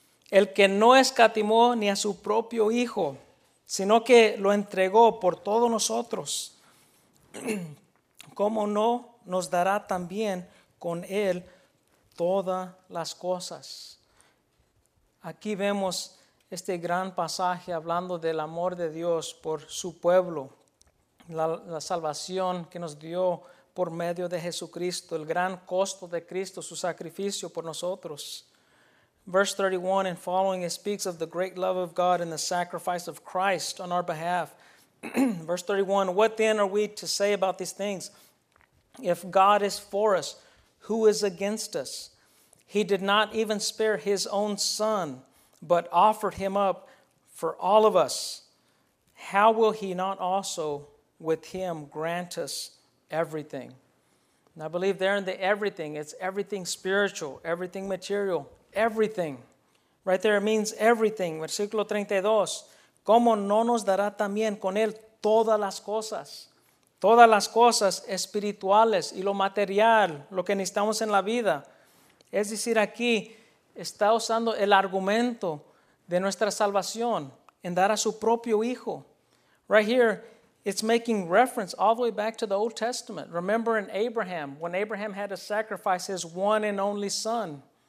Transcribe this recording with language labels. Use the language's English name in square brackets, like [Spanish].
[Spanish] El que no escatimó ni a su propio Hijo, sino que lo entregó por todos nosotros, ¿cómo no nos dará también con Él todas las cosas? Aquí vemos este gran pasaje hablando del amor de Dios por su pueblo, la salvación que nos dio por medio de Jesucristo, el gran costo de Cristo, su sacrificio por nosotros. [English] Verse 31 and following, it speaks of the great love of God and the sacrifice of Christ on our behalf. Verse 31, what then are we to say about these things? If God is for us, who is against us? He did not even spare His own Son, but offered Him up for all of us. How will He not also with Him grant us everything? And I believe there in the everything, it's everything spiritual, everything material, everything. Right there, it means everything. [Spanish] Versículo 32. ¿Cómo no nos dará también con Él todas las cosas? Todas las cosas espirituales y lo material, lo que necesitamos en la vida. Es decir, aquí está usando el argumento de nuestra salvación en dar a su propio Hijo. [English] Right here, it's making reference all the way back to the Old Testament. Remember in Abraham, when Abraham had to sacrifice his one and only son.